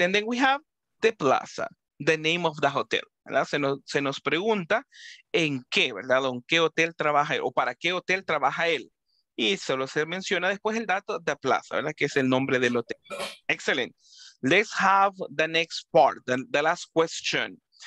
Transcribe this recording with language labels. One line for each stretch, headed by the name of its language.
English: And then we have the Plaza, the name of the hotel.
Spanish: Se nos pregunta en qué, ¿verdad? ¿En qué hotel trabaja él? ¿O para qué hotel trabaja él? Y solo se menciona después el dato de Plaza, ¿verdad? Que es el nombre del hotel. Excellent.
English: Let's have the next part, the last question.